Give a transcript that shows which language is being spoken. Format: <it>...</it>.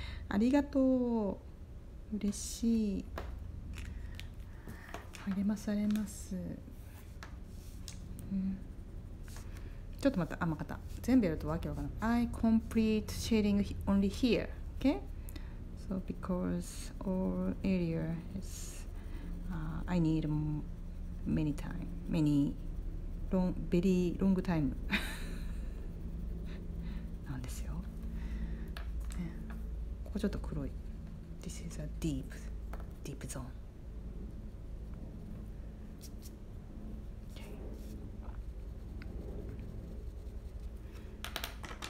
<ja>ありがとう。嬉しい。励まされます。うん、ちょっと待った。あ、また。全部やるとわけわからない。</ja> <en>I complete shading only here. Okay? So because all area is, I need many time, many.</en> <ja>ベリーロングタイムなんですよ、ね、ここちょっと黒い。</ja> <en>This is a deep deep zone、okay.</en>